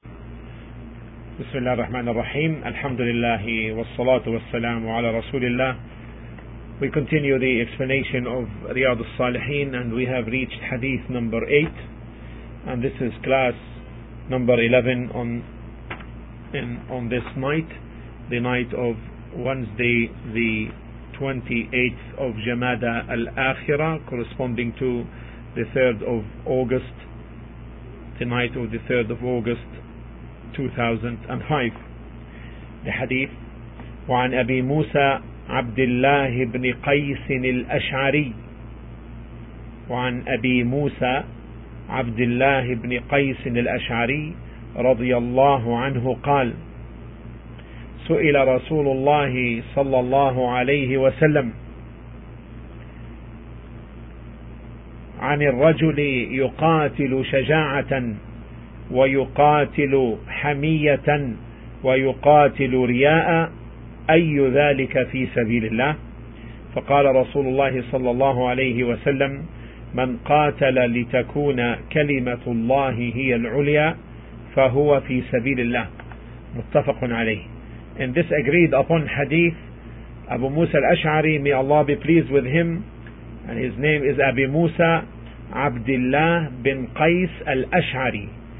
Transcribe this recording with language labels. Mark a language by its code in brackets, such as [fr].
[ar] بسم الله الرحمن الرحيم الحمد لله والصلاة والسلام على رسول الله. [en] We continue the explanation of Riyad al-Salihin, and we have reached hadith number 8, and this is class number 11 on this night, the night of Wednesday the 28th of Jamada al-Akhirah, corresponding to the 3rd of August, the night of the 3rd of August 2005. The hadith, [ar] وعن أبي موسى عبد الله بن قيس الأشعري وعن أبي موسى عبد الله بن قيس الأشعري رضي الله عنه قال سئل رسول الله صلى الله عليه وسلم عن الرجل يقاتل شجاعة ويقاتل حمية ويقاتل رياء أي ذلك في سبيل الله؟ فقال رسول الله صلى الله عليه وسلم من قاتل لتكون كلمة الله هي العليا فهو في سبيل الله. متفق عليه. [en] In this agreed upon hadith, Abu Musa al-Ash'ari, may Allah be pleased with him, and his name is Abu Musa Abdullah bin Qais al-Ash'ari,